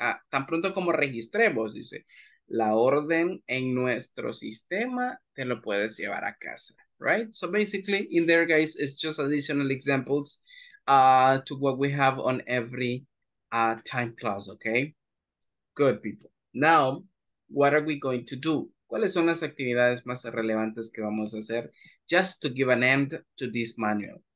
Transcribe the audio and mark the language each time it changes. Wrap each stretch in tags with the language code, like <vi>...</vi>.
<es>Tan pronto como registremos, dice, la orden en nuestro sistema, te lo puedes llevar a casa, right?</es> <en>So basically, in there, guys, it's just additional examples to what we have on every time clause, okay? Good, people. Now, what are we going to do?</en> <es>¿Cuáles son las actividades más relevantes que vamos a hacer?</es> <en>Just to give an end to this manual.</en>